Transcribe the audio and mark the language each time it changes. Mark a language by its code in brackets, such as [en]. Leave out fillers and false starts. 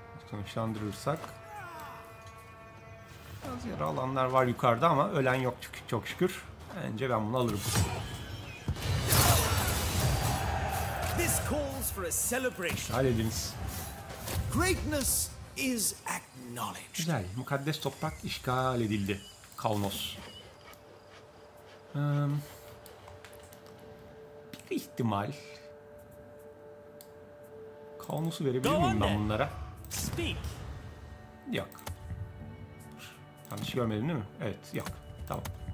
[tr] Sonuçlandırırsak... Biraz yara alanlar var yukarıda ama ölen yok çünkü çok şükür. Bence ben bunu alırım. [en] This calls for a celebration. [tr] Hallediniz. [en] Greatness is acknowledged. [tr] Güzel, mukaddes toprak işgal edildi. Kalnos. Bir ihtimal... Kalnos'u verebilir miyim ben bunlara? Speak. Yok. Yanlış görmedim değil mi? Evet, yok. Tamam.